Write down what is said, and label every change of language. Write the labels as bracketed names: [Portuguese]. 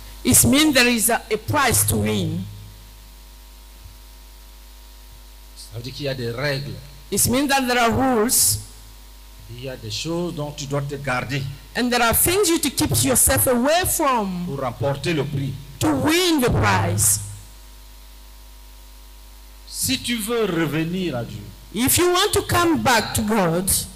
[English] it means there is a price to win. [French] Ça veut dire qu'il y a des règles. [English] It means that there are rules. [French] Il y a des choses dont tu dois te garder. [English] And there are things you to keep yourself away from. [French] Pour remporter le prix. [English] To win the prize. [French] Si tu veux revenir à Dieu, [English] if you want to come back to God,